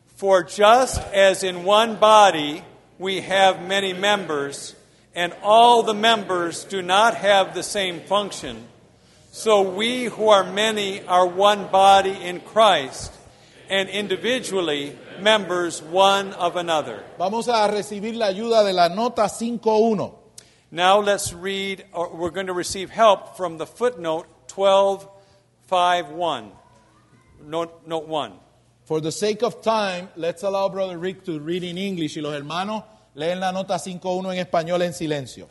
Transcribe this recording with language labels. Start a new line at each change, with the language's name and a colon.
English: For just as in one body we have many members, and all the members do not have the same function, so we who are many are one body in Christ, and individually members one of another.
Spanish: Vamos a recibir la ayuda de la nota 5:1.
English: Now let's read, or we're going to receive help from the footnote 12:5:1. Note 1. For the sake of time, let's allow Brother Rick to read in English,
Spanish: y los hermanos leen la nota 5:1 en español en silencio.